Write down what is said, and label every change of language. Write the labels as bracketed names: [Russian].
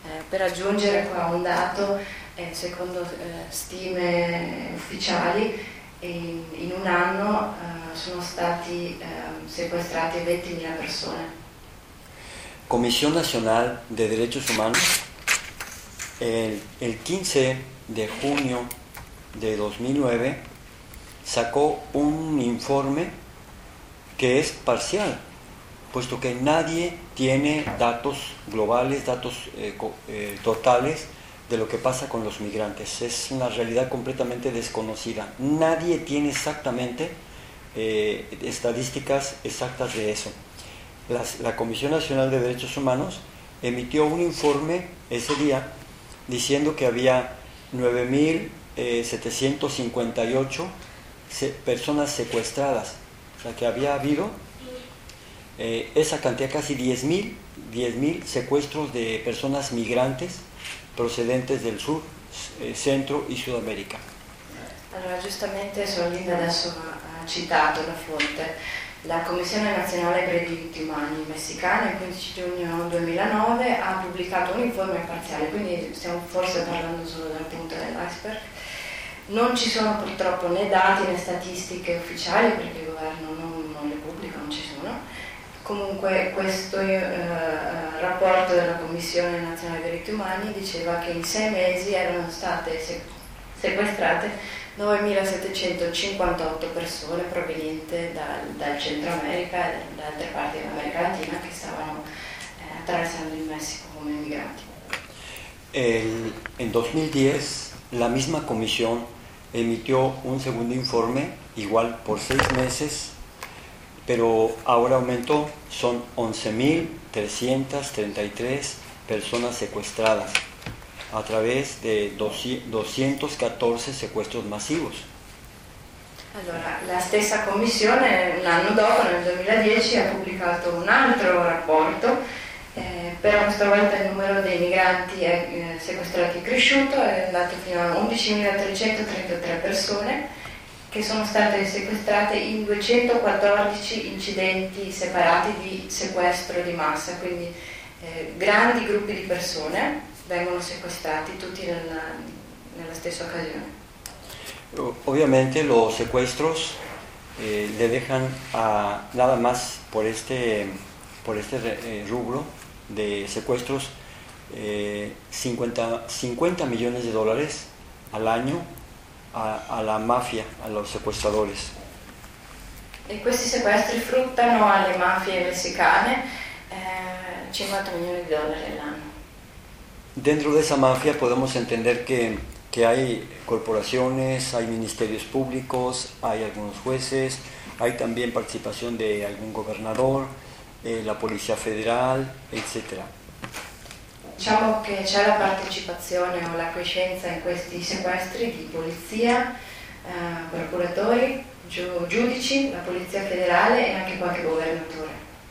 [Italian] Per aggiungere qua un dato, secondo stime ufficiali, in un anno sono stati sequestrati 20.000 persone. Commissione Nazionale dei Diritti Umani. [Spanish] El 15 de junio de 2009 sacó un informe que es parcial, puesto que nadie tiene datos globales, datos totales de lo que pasa con los migrantes. Es una realidad completamente desconocida. Nadie tiene exactamente estadísticas exactas de eso. La Comisión Nacional de Derechos Humanos emitió un informe ese día diciendo que había 9.758 personas secuestradas, o sea que había habido esa cantidad, casi 10.000 secuestros de personas migrantes procedentes del sur, centro y Sudamérica. [Italian] Allora, giustamente Solinda adesso ha citato la fonte, la Commissione Nazionale per i Diritti Umani messicana, il 15 giugno 2009 ha pubblicato un informe parziale, quindi stiamo forse parlando solo della punta dell'iceberg. Non ci sono purtroppo né dati né statistiche ufficiali, perché il governo non le pubblica, non ci sono. Comunque questo rapporto della Commissione Nazionale per i Diritti Umani diceva che in 6 mesi erano state sequestrate 9.758 persone provenienti dal Centro America e da altre parti dell'America Latina che stavano attraversando il Messico come migranti. [Spanish] En 2010 la misma comisión emitió un segundo informe, igual por 6 meses, pero ahora aumentó, son 11.333 personas secuestradas a través de 214 secuestros masivos. [Italian] Allora, la stessa commissione un anno dopo, nel 2010, ha pubblicato un altro rapporto, però questa volta il numero dei migranti sequestrati è cresciuto, è andato fino a 11.333 persone che sono state sequestrate in 214 incidenti separati di sequestro di massa, quindi grandi gruppi di persone vengono sequestrati tutti nella stessa occasione. [Spanish] Ovviamente los secuestros le dejan a nada más por este rubro de secuestros 50 millones de dólares al año a la mafia, a los secuestradores. [Italian] E questi sequestri fruttano alle mafie messicane 50 milioni di dollari all'anno. [Spanish] Dentro de esa mafia podemos entender que hay corporaciones, hay ministerios públicos, hay algunos jueces, hay también participación de algún gobernador, la policía federal, etc. [Italian] Diciamo che c'è la partecipazione o la quiescenza in questi sequestri di polizia, procuratori, giudici, la policía federale e anche qualche governatore.